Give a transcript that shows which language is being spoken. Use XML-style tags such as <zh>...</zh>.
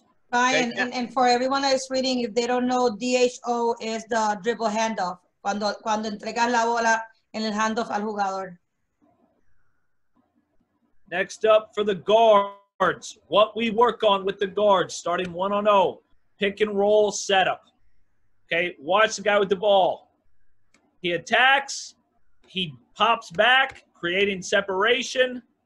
<en>Brian, and for everyone that is reading, if they don't know, DHO is the dribble handoff.</en> <es>Cuando entregas la bola, en el handoff al jugador.</es> <en>Next up for the guards. What we work on with the guards, starting 1-0, pick and roll setup. Okay, watch the guy with the ball. He attacks, he pops back, creating separation.</en>